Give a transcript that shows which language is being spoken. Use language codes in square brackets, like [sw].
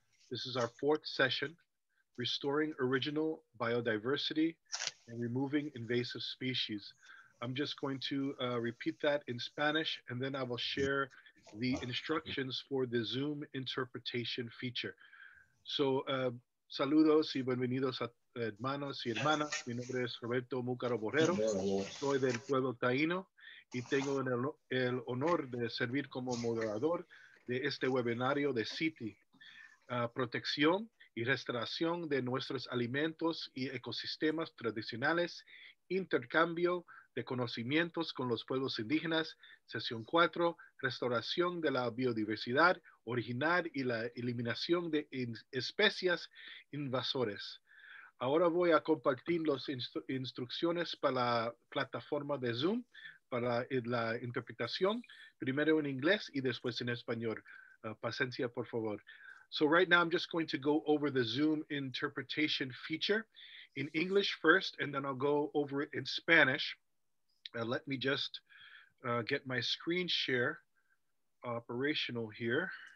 [en] This is our fourth session, Restoring Original Biodiversity and Removing Invasive Species. I'm just going to repeat that in Spanish, and then I will share the instructions for the Zoom interpretation feature. [es] So, saludos y bienvenidos a hermanos y hermanas. Mi nombre es Roberto Mucaro Borrero. Soy del pueblo Taino y tengo el honor de servir como moderador de este webinario de CITI, Protección y Restauración de Nuestros Alimentos y Ecosistemas Tradicionales, Intercambio de Conocimientos con los Pueblos Indígenas, Sesión 4, Restauración de la Biodiversidad Original y la Eliminación de Especies Invasores. Ahora voy a compartir las instrucciones para la plataforma de Zoom, para la interpretación, primero en inglés y después en español. Paciencia, por favor. [en] So right now I'm just going to go over the Zoom interpretation feature in English first, and then I'll go over it in Spanish. Let me just get my screen share operational here.